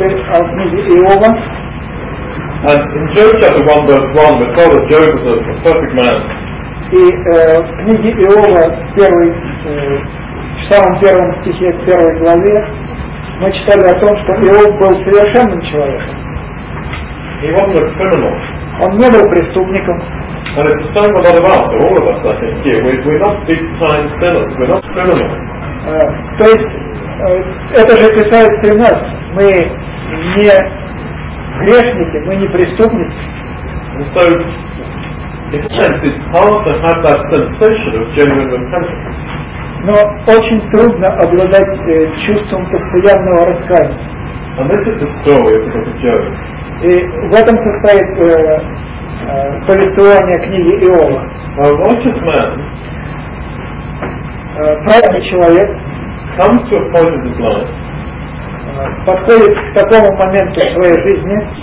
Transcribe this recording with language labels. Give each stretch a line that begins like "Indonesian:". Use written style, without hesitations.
English: And in Job chapter 1 verse 1, we're told that Job was a perfect man.
Russian: И в книге Иова, в самом первом стихе, в первой главе, мы читали о том, что Иов был совершенным человеком.
English: He wasn't a criminal.
Russian: Он не был преступником.
English: And it's the same with a lot of us, all of us, I think, here. We're not big time sinners, we're not criminals.
Russian: То есть, это же касается и нас. Мы не грешники, мы не преступники.
English: And so, in a sense, it's hard to have that sensation of genuine repentance.
Russian: Но очень трудно обладать чувством постоянного раскаяния.
English: And this is the story of the book of Job.
Russian: И в этом состоит повествование книги Иова.
English: A righteous man,
Russian: праведный человек,
English: comes to a point in his life,
Russian: подходит к такому моменту в своей жизни,